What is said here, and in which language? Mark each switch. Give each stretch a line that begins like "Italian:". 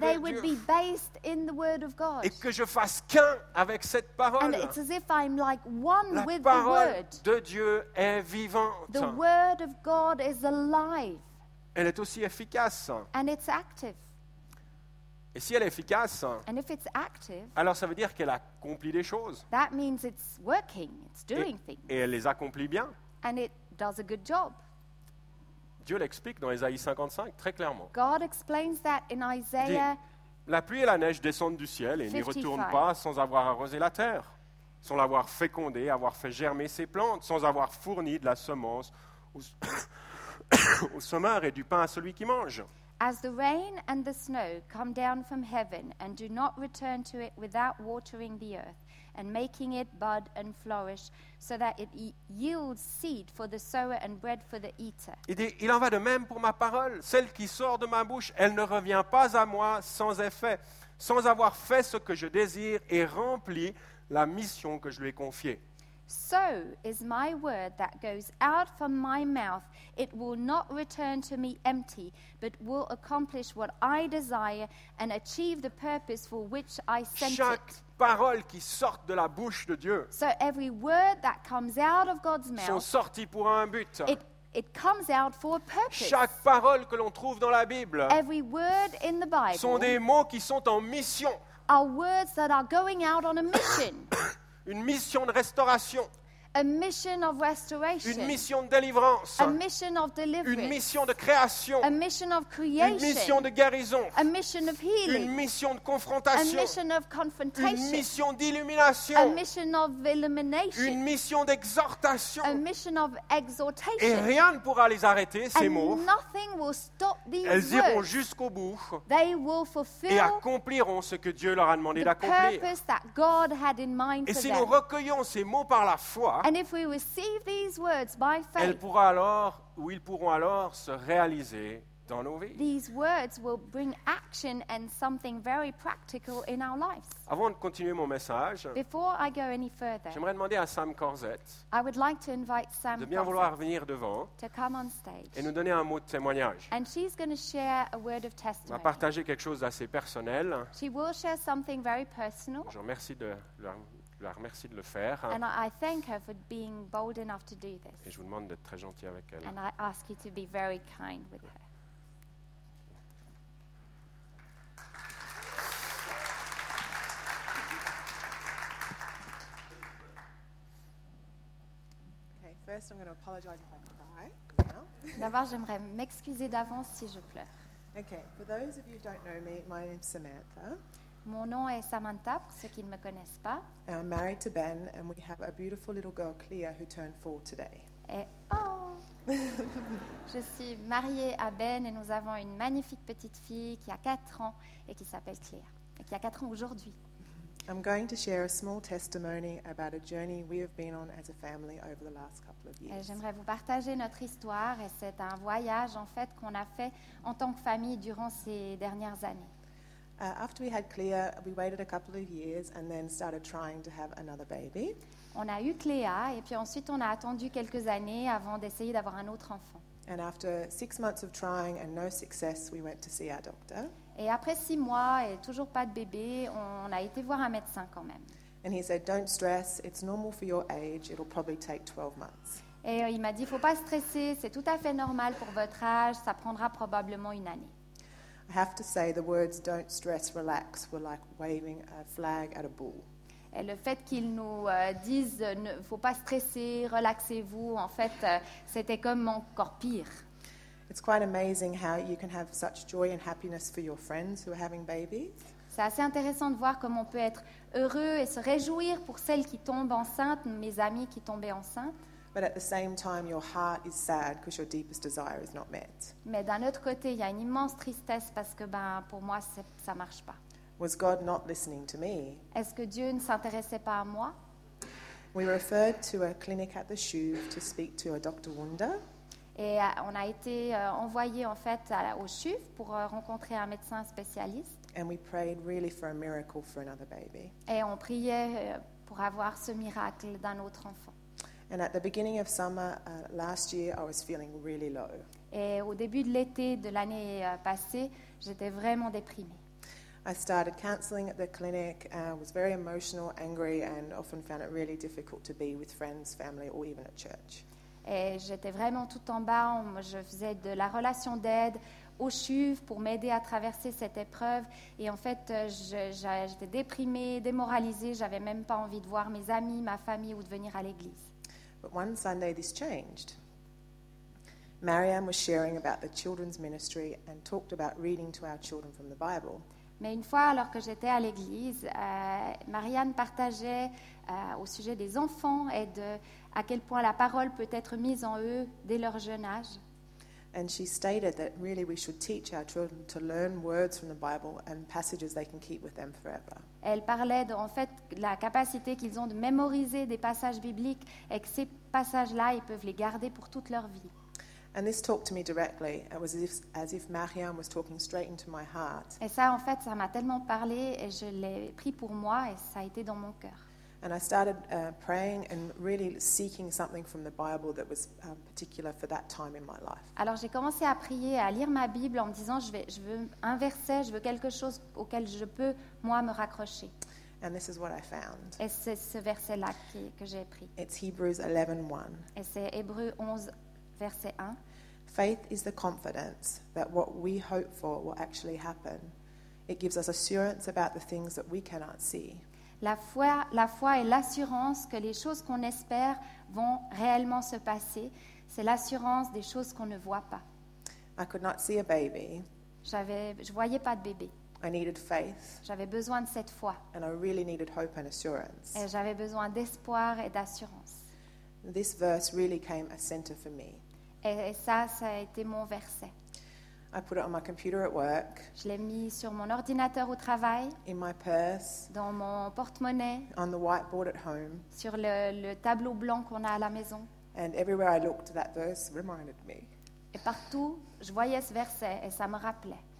English: That they would be based in the word of God.
French: Et que je fasse qu'un avec cette parole.
English: And it's as if I'm like one
French: la
English: with the word.
French: La parole de Dieu est vivante.
English: The word of God is alive.
French: Elle est aussi efficace.
English: And it's active.
French: Et si elle est efficace,
English: And if it's active,
French: alors ça veut dire qu'elle accomplit des choses.
English: That means it's working, it's doing things.
French: Et elle les accomplit bien.
English: And it does a good job.
French: Dieu l'explique dans Ésaïe 55 très clairement.
English: God explains that in Isaiah.
French: La pluie et la neige descendent du ciel et n'y retournent pas sans avoir arrosé la terre, sans l'avoir fécondée, avoir fait germer ses plantes, sans avoir fourni de la semence au semeur et du pain à celui qui mange.
English: As the rain and the snow come down from heaven and do not return to it without watering the earth and making it bud and flourish so that it yields seed for the sower and bread for the eater.
French: Il en va de même pour ma parole. Celle qui sort de ma bouche, elle ne revient pas à moi sans effet, sans avoir fait ce que je désire et rempli la mission que je lui ai confiée.
English: So is my word that goes out from my mouth. It will not return to me empty, but will accomplish what I desire and achieve the purpose for which I sent
French: Chaque
English: it.
French: Chaque parole qui sort de la bouche de Dieu.
English: So every word that comes out of God's mouth.
French: Sont sortis pour un but.
English: It comes out for a purpose.
French: Chaque parole que l'on trouve dans la Bible.
English: Every word in the Bible.
French: Sont des mots qui sont en mission.
English: Are words that are going out on a mission.
French: Une mission de restauration.
English: A mission of restoration.
French: Une mission de délivrance.
English: A mission of deliverance.
French: Une mission de création.
English: A mission of creation.
French: Une mission de guérison.
English: A mission of healing.
French: Une mission de confrontation.
English: A mission of confrontation.
French: Une mission d'illumination.
English: A mission of illumination.
French: Une mission d'exhortation.
English: A mission of exhortation.
French: Et rien ne pourra les arrêter, ces mots.
English: And nothing will stop these words.
French: Elles iront jusqu'au bout.
English: They will fulfill
French: et accompliront ce que Dieu leur a demandé d'accomplir.
English: The purpose that God had in mind
French: et
English: for
French: si
English: them.
French: Nous recueillons ces mots par la foi,
English: and if we receive these words by faith,
French: elles pourront alors, ou ils pourront alors se réaliser dans nos vies.
English: These words will bring action and something very practical in our lives.
French: Avant de continuer mon message,
English: before I go any further,
French: j'aimerais demander à Sam Corzett,
English: I would like to invite Sam
French: de bien Corzett vouloir venir devant
English: to come on stage
French: et nous donner un mot de témoignage.
English: And she's going to share a word of testimony.
French: Va partager quelque chose d'assez personnel.
English: She will share something very personal.
French: Je remercie de leur je la remercie de le faire.
English: And I thank her for being bold enough to do this.
French: Et je vous demande d'être très gentil avec elle.
English: And I ask you to be very kind with her. Okay, first I'm going to apologize if I cry.
French: D'abord, j'aimerais m'excuser d'avance si je pleure.
English: Okay, for those of you who don't know me, my name is Samantha.
French: Mon nom est Samantha, pour ceux qui ne me connaissent pas.
English: And I'm married to Ben, and we have a beautiful little girl, Clea, who turned 4 today.
French: Et oh! Je suis mariée à Ben, et nous avons une magnifique petite fille qui a 4 ans, et qui s'appelle Clea, et qui a 4 ans aujourd'hui.
English: I'm going to share a small testimony about a journey we have been on as a family over the last couple of years.
French: Et j'aimerais vous partager notre histoire, et c'est un voyage, en fait, qu'on a fait en tant que famille durant ces dernières années.
English: After we had Clea, we waited a couple of years and then started trying to have another baby.
French: On a eu Clea et puis ensuite on a attendu quelques années avant d'essayer d'avoir un autre enfant.
English: And after 6 months of trying and no success, we went to see our doctor.
French: Et après 6 mois et toujours pas de bébé, on a été voir un médecin quand même.
English: And he said, "Don't stress. It's normal for your age. It'll probably take 12 months."
French: Et il m'a dit, "Faut pas stresser. C'est tout à fait normal pour votre âge. Ça prendra probablement une année."
English: I have to say the words "don't stress, relax" were like waving a flag at a bull.
French: Et le fait qu'ils nous disent "ne faut pas stresser, relaxez-vous", en fait, c'était comme encore pire.
English: It's quite amazing how you can have such joy and happiness for your friends who are having babies.
French: C'est assez intéressant de voir comment on peut être heureux et se réjouir pour celles qui tombent enceintes, mes amies qui tombaient enceintes.
English: But at the same time, your heart is sad because your deepest desire is not met.
French: Mais d'un autre côté, il y a une immense tristesse parce que, ben, pour moi, ça marche pas.
English: Was God not listening to me?
French: Est-ce que Dieu ne s'intéressait pas à moi?
English: We referred to a clinic at the Shuv to speak to a Dr. Wunder.
French: Et on a été envoyé en fait au Shuv pour rencontrer un médecin spécialiste.
English: And we prayed really for a miracle for another baby.
French: Et on priait pour avoir ce miracle d'un autre enfant.
English: And at the beginning of summer last year, I was feeling really low.
French: Et au début de l'été de l'année passée, j'étais vraiment déprimée.
English: I started counseling at the clinic. Was very emotional, angry, and often found it really difficult to be with friends, family, or even at church.
French: Et j'étais vraiment tout en bas. Je faisais de la relation d'aide au CHUV pour m'aider à traverser cette épreuve. Et en fait, j'étais déprimée, démoralisée. J'avais même pas envie de voir mes amis, ma famille, ou de venir à l'église.
English: But one Sunday, this changed. Marianne was sharing about the children's ministry and talked about reading to our children from the Bible.
French: Mais une fois, alors que j'étais à l'église, Marianne partageait au sujet des enfants et de à quel point la parole peut être mise en eux dès leur jeune âge.
English: And she stated that really we should teach our children to learn words from the Bible and passages they can keep with them forever.
French: Elle parlait de, en fait, la capacité qu'ils ont de mémoriser des passages bibliques et que ces passages-là, ils peuvent les garder pour toute leur vie.
English: And this talked to me directly. It was as if Marianne was talking straight into my heart.
French: Et ça, en fait, ça m'a tellement parlé et je l'ai pris pour moi et ça a été dans mon cœur.
English: And I started praying and really seeking something from the Bible that was particular for that time in my life.
French: Alors j'ai commencé à prier, à lire ma Bible en me disant je veux un verset, je veux quelque chose auquel je peux moi me raccrocher.
English: And this is what I found.
French: Et c'est ce verset là que j'ai pris.
English: It's Hebrews 11:1.
French: Et c'est Hébreux 11 verset 1.
English: Faith is the confidence that what we hope for will actually happen. It gives us assurance about the things that we cannot see.
French: La foi est l'assurance que les choses qu'on espère vont réellement se passer. C'est l'assurance des choses qu'on ne voit pas.
English: I could not see a baby.
French: Je voyais pas de bébé.
English: I needed faith.
French: J'avais besoin de cette foi.
English: And I really needed hope and assurance.
French: Et j'avais besoin d'espoir et d'assurance.
English: This verse really came a center for me.
French: Et ça a été mon verset.
English: I put it on my computer at work.
French: Je l'ai mis sur mon ordinateur au travail.
English: In my purse.
French: Dans mon porte-monnaie.
English: On the whiteboard at home.
French: Sur le tableau blanc qu'on a à la maison.
English: And everywhere I looked, that verse reminded me.
French: Et partout, je voyais ce verset et ça me rappelait.